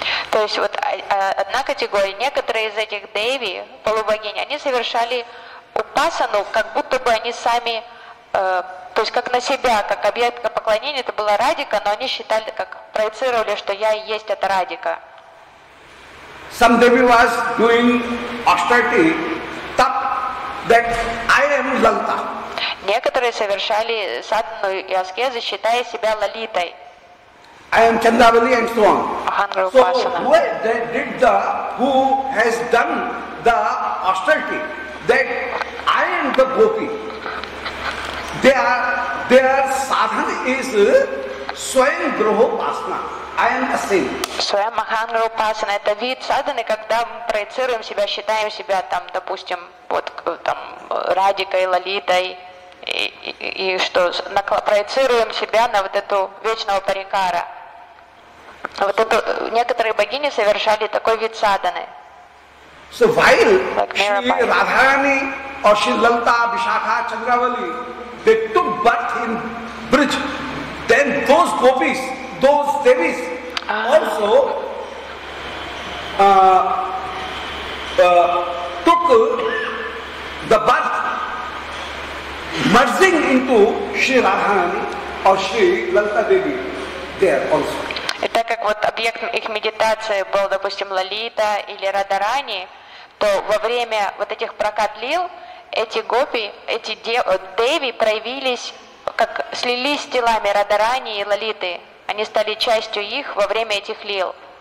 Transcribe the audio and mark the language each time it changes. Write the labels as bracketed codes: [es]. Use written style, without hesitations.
[ru] То есть вот одна категория, некоторые из этих деви, полубогини, они совершали упасану, как будто бы они сами, то есть как на себя, как объект поклонения, это была Радика, но они считали, как проецировали, что я и есть эта Радика. [en] Some devi was doing austerity tap, that I am Lalita. [ru] Некоторые совершали садхану и аскезы, считая себя Лалитой. [en] I am Chandavali and so on. So who did the, who has done the austerity, that I am the gopi. Their sadhana is Swayam Graha Upasana. I am the same. [ru] Swayam Mahangra Upasana — это вид садханы, когда мы проецируем себя, считаем себя там, допустим, вот там Радикой, Лолитой, и что, проецируем себя на вот эту вечного парикара. Вот это некоторые богини совершали такой вид садханы. [en] So while Shri Radharani or Shri Lalita, Vishakha, Chandravali, they took birth in Braj, then those gopis, those devis also took the birth, merging into Shri Radharani or Shri Lalita Devi there also. [ru] И так как вот объект их медитации был, допустим, Лолита или Радарани, то во время вот этих прокат лил, эти гопи, эти деви проявились, как слились с телами Радарани и Лолиты. Они стали частью их во время этих лил.